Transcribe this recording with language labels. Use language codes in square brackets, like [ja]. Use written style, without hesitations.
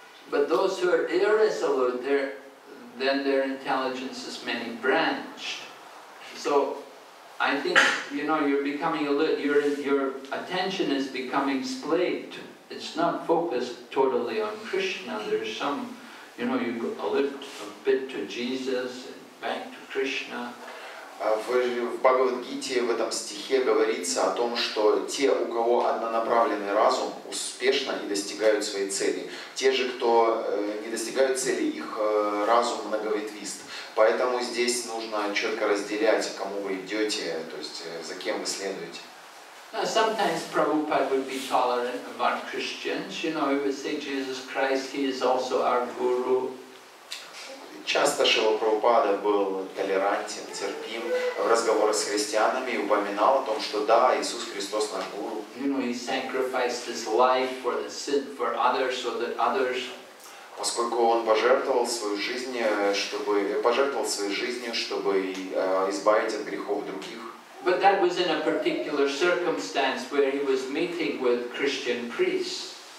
[en] But those who are irresolute, then their intelligence is many branched. So I think, you know, you're becoming alert, your attention is becoming splayed. It's not focused totally on Krishna. There's some, you know, you alert a bit to Jesus and back to Krishna. [ru] В Бхагавад-гите, в этом стихе говорится о том, что те, у кого однонаправленный разум, успешно и достигают своей цели. Те же, кто не достигают цели, их разум многоветвист. Поэтому здесь нужно четко разделять, кому вы идете, то есть за кем вы следуете. [en] Sometimes Prabhupada would be tolerant of our Christians. You know, he would say, Jesus Christ, he is also our guru. [ru] Часто Шрила Прабхупада был толерантен, терпим в разговорах с христианами и упоминал о том, что да, Иисус Христос наш гуру. [en] You know, he sacrificed his life for the sin for others, so that others. [ru] Поскольку он пожертвовал свою жизнь, чтобы избавить от грехов других. [en] But that was in a particular circumstance where he was meeting with Christian priests.